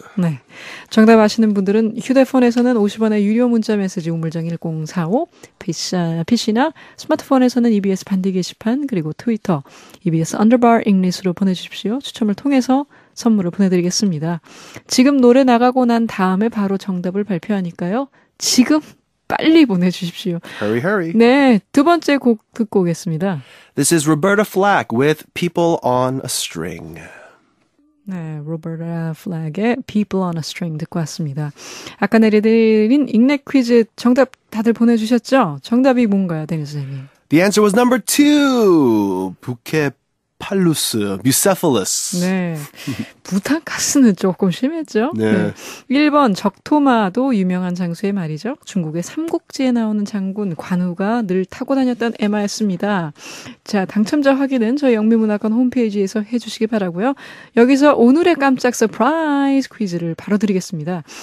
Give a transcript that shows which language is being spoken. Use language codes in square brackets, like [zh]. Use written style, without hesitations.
[ko] 네, 정답 아시는 분들은 휴대폰에서는 50원의 유료 문자 메시지 우물정 1045, PC나 스마트폰에서는 EBS 반디 게시판, 그리고 트위터 EBS Underbar English로 보내주십시오. 추첨을 통해서 선물을 보내드리겠습니다. 지금 노래 나가고 난 다음에 바로 정답을 발표하니까요. 지금 빨리 보내주십시오. [en] Hurry, hurry. [ko] 네, 두 번째 곡 듣고 오겠습니다. [en] This is Roberta Flack with People on a String. [ko] 네, 로버타 플랙의 People on a String 듣고 왔습니다. 아까 내려드린 익넷 퀴즈 정답 다들 보내주셨죠? 정답이 뭔가요, 데니스 선생님? [en] The answer was number two. 부케팔루스, Bucephalus. [ko] 네, 무탕카스는 조금 심했죠. 네. 네. 1번 적토마도 유명한 장수의 말이죠. 중국의 삼국지에 나오는 장군 관우가 늘 타고 다녔던 애마였습니다. 자, 당첨자 확인은 저희 영미문학관 홈페이지에서 해주시기 바라고요. 여기서 오늘의 깜짝 서프라이즈 퀴즈를 바로 드리겠습니다.